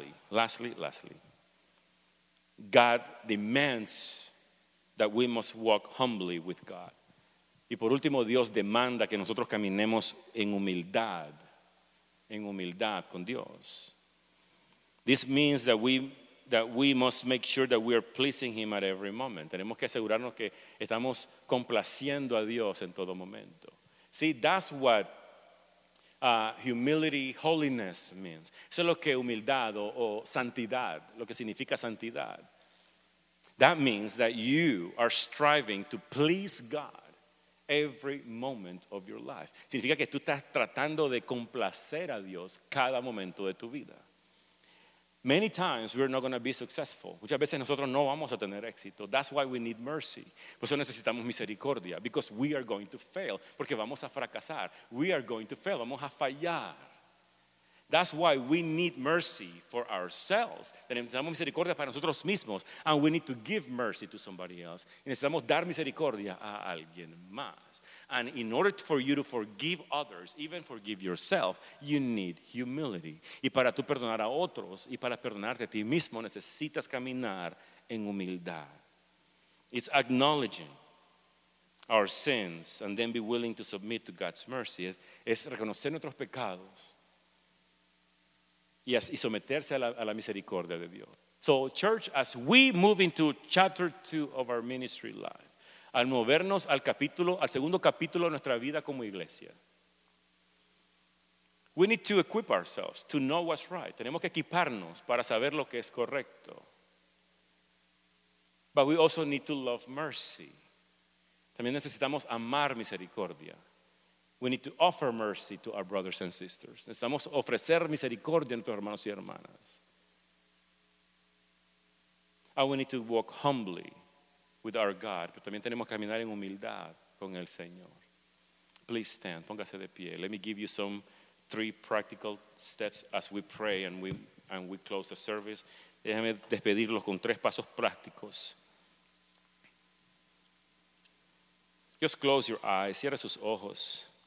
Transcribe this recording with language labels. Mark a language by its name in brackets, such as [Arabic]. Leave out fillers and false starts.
[English] Lastly, God demands that we must walk humbly with God. [Spanish] Y por último, Dios demanda que nosotros caminemos en humildad con Dios. [English] This means that we must make sure that we are pleasing Him at every moment. [Spanish] Tenemos que asegurarnos que estamos complaciendo a Dios en todo momento. [English] See, that's what humility, holiness means. [Spanish] Eso es lo que humildad o santidad, lo que significa santidad. [English] That means that you are striving to please God every moment of your life. [Spanish] Significa que tú estás tratando de complacer a Dios cada momento de tu vida. [English] Many times we're not going to be successful. [Spanish] Muchas veces nosotros no vamos a tener éxito. [English] That's why we need mercy. [Spanish] Por eso necesitamos misericordia. [English] Because we are going to fail. [Spanish] Porque vamos a fracasar. [English] We are going to fail. [Spanish] Vamos a fallar. [English] That's why we need mercy for ourselves. [Spanish] Necesitamos misericordia para nosotros mismos. [English] And we need to give mercy to somebody else. [Spanish] Y necesitamos dar misericordia a alguien más. [English] And in order for you to forgive others, even forgive yourself, you need humility. [Spanish] Y para tú perdonar a otros y para perdonarte a ti mismo, necesitas caminar en humildad. [English] It's acknowledging our sins and then be willing to submit to God's mercy. [Spanish] Es reconocer nuestros pecados y someterse a la misericordia de Dios. [English] So, church, as we move into chapter 2 of our ministry life, [Spanish] al movernos al segundo capítulo de nuestra vida como iglesia, [English] we need to equip ourselves to know what's right. [Spanish] Tenemos que equiparnos para saber lo que es correcto. [English] But we also need to love mercy. [Spanish] También necesitamos amar misericordia. [English] We need to offer mercy to our brothers and sisters. [Spanish] Necesitamos ofrecer misericordia a nuestros hermanos y hermanas. [English] And we need to walk humbly with our God. [Spanish] Pero también tenemos que caminar en humildad con el Señor. [English] Please stand. [Spanish] Póngase de pie. [English] Let me give you some 3 practical steps as we pray and we close the service. [Spanish] Déjame despedirlos con 3 pasos prácticos. [English] Just close your eyes. [Spanish] Cierre sus ojos.